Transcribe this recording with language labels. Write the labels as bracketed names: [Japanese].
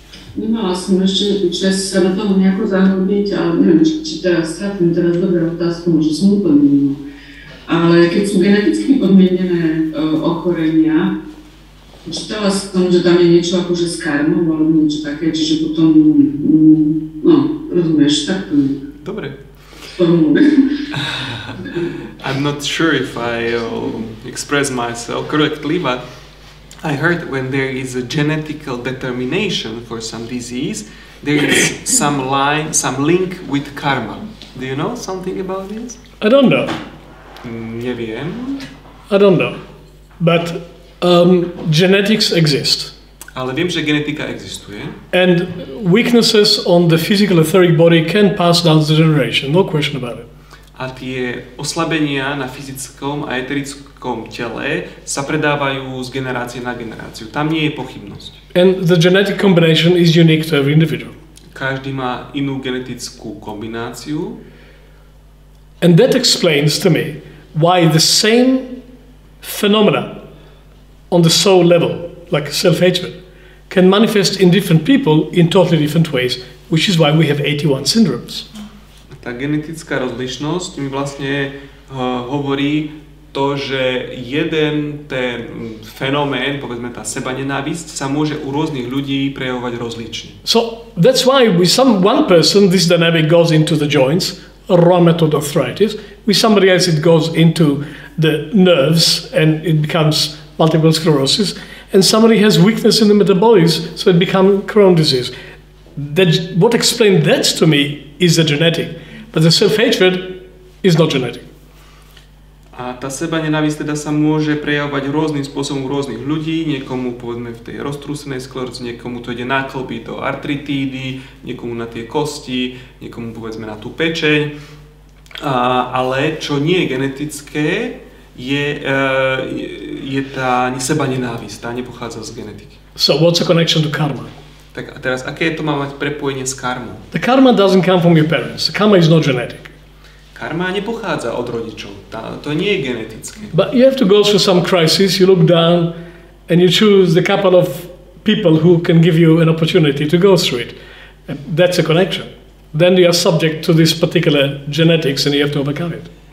[Slovak] Nemala som ešte čas sa do toho nejako zahrubiť a neviem, či teraz stratím teraz dobrú otázku, možno som úplne mimo. Ale keď sú geneticky podmienené ochorenia, čítala som, že tam je niečo ako že s karmou alebo niečo také, čiže potom, no, rozumieš, tak to nie. Dobre. [English] I'm not sure if I express myself correctly, but I heard when there is a genetic determination for some disease, there is some link with karma. Do you know something about this? I don't know. [Slovak] Neviem. [English] I don't know. But genetics exist. [Slovak] Ale viem, že genetika existuje. [English] And weaknesses on the physical etheric body can pass down the generation. No question about it. [Slovak] A tie oslabenia na fyzickom a eterickom tele sa predávajú z generácie na generáciu. Tam nie je pochybnosť. [English] And the genetic combination is unique to every individual. [Slovak] Každý má inú genetickú kombináciu. [English] And that explains to me why the same phenomena on the soul level, like self-hatred, can manifest in different people in totally different ways, which is why we have 81 syndromes. [Slovak] Tá genetická rozlišnosť mi vlastne hovorí to, že jeden ten fenomén, povedzme tá sebanenávisť, sa môže u rôznych ľudí prejavovať rozlične. [English] So that's why with some one person this dynamic goes into the joints, rheumatoid arthritis, with somebody else it goes into the nerves and it becomes multiple sclerosis, and somebody has weakness in the metabolism, so it becomes Crohn's disease. That, what explained that to me is the genetic, but the self-hatred is not genetic. [Slovak] A tá seba nenávisť teda sa môže prejavovať rôznym spôsobom u rôznych ľudí, niekomu povedzme v tej roztrúsenej skleróze, niekomu to ide na klby, to artritídy, niekomu na tie kosti, niekomu povedzme na tú pečeň. Ale čo nie je genetické, je tá seba nenávisť, tá nepochádza z genetiky. [English] So what's the connection to karma? [Slovak] Tak a teraz, aké to má mať prepojenie s karmou? [English] The karma doesn't come from your parents. The karma is not genetic. [Slovak] Karma nepochádza od rodičov. To nie je genetické. [English] But you have to go through some crisis, you look down and you choose the couple of people who can give you an opportunity to go through it. And that's a connection. Then you are subject to this particular genetics and you have to overcome it.